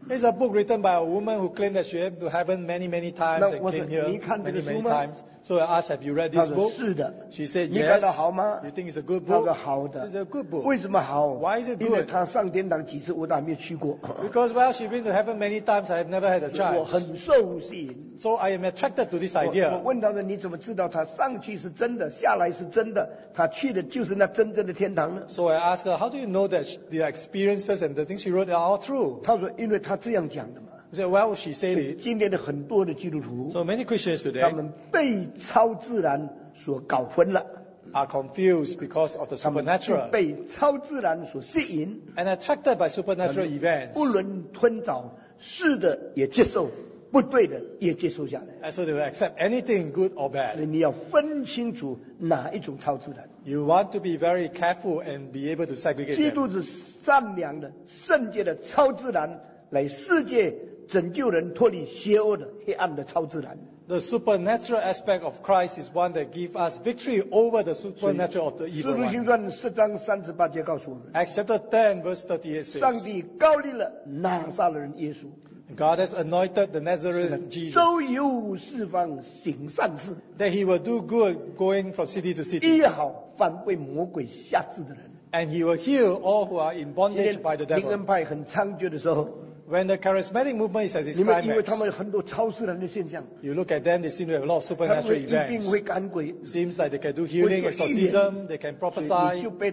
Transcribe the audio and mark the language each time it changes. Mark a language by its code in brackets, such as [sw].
[en] it's a book written by a woman who claimed that she went to heaven many, many times and came here many, many times. So I asked, have you read this book? [zh] 她说是的, [en] she said, yes. [zh] 你感到好吗? [en] You think it's a good book? [zh] 她说好的, [en] it's a good book. [zh] 为什么好? [en] Why is it good? [zh] 因为她上天堂几次, 我都还没有去过, [en] because well, she's been to heaven many times, I have never had a chance. [zh] 我很受吸引, [en] so I am attracted to this idea. [zh] 我问她说, 你怎么知道她上去是真的, 下来是真的, 她去的就是那真正的天堂呢? [en] So I asked her, how do you know that the experiences and the things she wrote are all true? [zh] 她说, 他这样讲的嘛, [en] so, well, she said it, [zh] 今天的很多的基督徒, [en] so many Christians today, [zh] 他们被超自然所搞混了, [en] are confused because of the supernatural, [zh] 他们被超自然所吸引, [en] and attracted by supernatural events, [zh] 不论吞枣, 是的也接受, 不对的也接受下来, [en] and so they will accept anything good or bad. [zh] 你要分清楚哪一种超自然, [en] you want to be very careful and be able to segregate them. [zh] 基督是善良的, 圣洁的超自然, 来世界拯救人脱离邪恶的黑暗的超自然。 [en] The supernatural aspect of Christ is one that gives us victory over the supernatural of the evil one. [zh] 四路行传四章三十八节告诉我们, [en] Acts chapter 10 verse 38 says, [zh] 上帝高立了拿撒勒人耶稣, [en] God has anointed the Nazarene Jesus, [zh] 周游四方行善事, [en] that he will do good going from city to city, [zh] 医好凡被魔鬼辖制的人, [en] and he will heal all who are in bondage by the devil. [zh] 灵恩派很猖獗的时候, [en] when the charismatic movement is at its climax, [zh] 你们以为他们有很多超自然的现象, [en] you look at them, they seem to have a lot of supernatural events. [zh] 他们会一定会赶鬼, [en] seems like they can do healing, exorcism, they can prophesy.